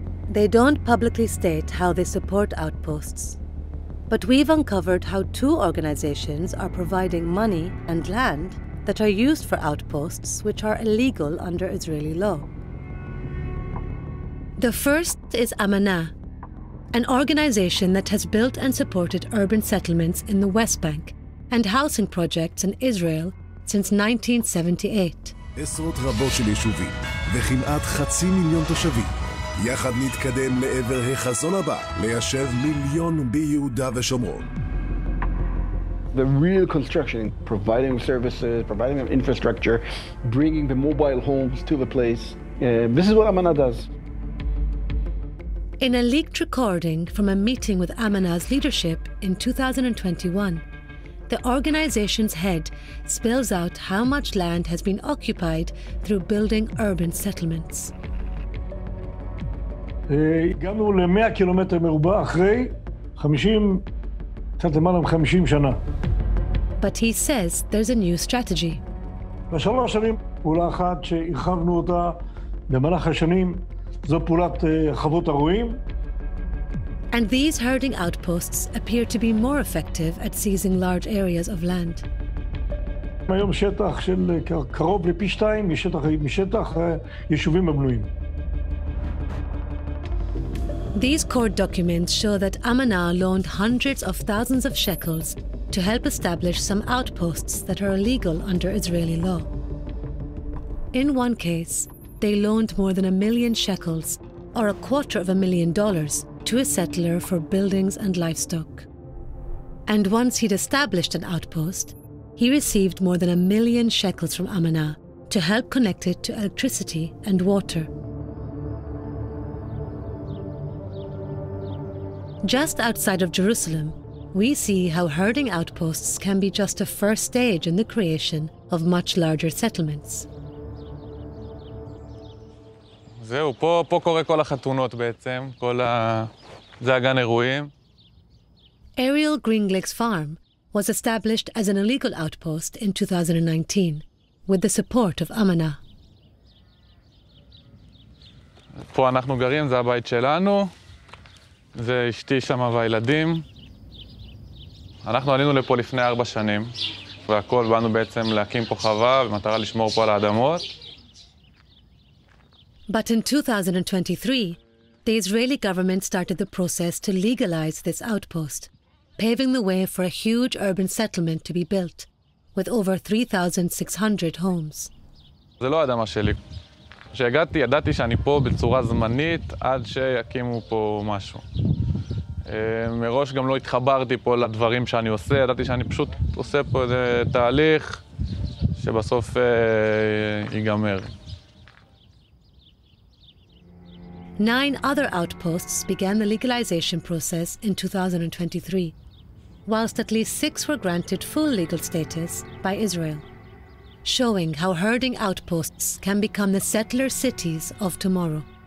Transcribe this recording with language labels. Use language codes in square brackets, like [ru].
[en] They don't publicly state how they support outposts, but we've uncovered how two organizations are providing money and land that are used for outposts which are illegal under Israeli law. The first is Amana, an organization that has built and supported urban settlements in the West Bank and housing projects in Israel since 1978. [he] עשרות רבות של יישובים וכמעט 500,000 תושבים יחד נתקדם לעבר החזון הבא ליישב מיליון ביהודה ושומרון. [en] The real construction, providing services, providing infrastructure, bringing the mobile homes to the place. This is what Amana does. In a leaked recording from a meeting with Amana's leadership in 2021, the organization's head spells out how much land has been occupied through building urban settlements. [he] הגענו ל-100 קילומטר מרובע אחרי 50, קצת למעלה מ-50 שנה. [en] But he says there's a new strategy. [he] בשלוש שנים, פעולה אחת שהרחבנו אותה במהלך השנים, זו פעולת חוות הרועים. [en] And these herding outposts appear to be more effective at seizing large areas of land. [he] היום שטח של קרוב לפי שתיים משטח יישובים הבנויים. [en] These court documents show that Amana loaned hundreds of thousands of shekels to help establish some outposts that are illegal under Israeli law. In one case, they loaned more than $1 million, or $250,000, to a settler for buildings and livestock. And once he'd established an outpost, he received more than $1 million from Amana to help connect it to electricity and water. Just outside of Jerusalem, we see how herding outposts can be just a first stage in the creation of much larger settlements. [he] זהו, פה קורה כל החתונות בעצם, זה הגן אירועים. [en] Ariel Greenglick's farm was established as an illegal outpost in 2019, with the support of Amana. [he] פה אנחנו גרים, זה הבית שלנו, זה אשתי שמה והילדים. אנחנו עלינו לפה לפני 4 שנים, והכל באנו בעצם להקים פה חווה במטרה לשמור פה על האדמות. [en] But in 2023, the Israeli government started the process to legalize this outpost, paving the way for a huge urban settlement to be built, with over 3,600 homes. [he] זה לא האדמה שלי. כשהגעתי, ידעתי שאני פה בצורה זמנית עד שיקימו פה משהו. מראש גם לא התחברתי פה לדברים שאני עושה, ידעתי שאני פשוט עושה פה איזה תהליך שבסוף ייגמר. [en] Nine other outposts began the legalization process in 2023, whilst at least six were granted full legal status by Israel, showing how herding outposts can become the settler cities of tomorrow.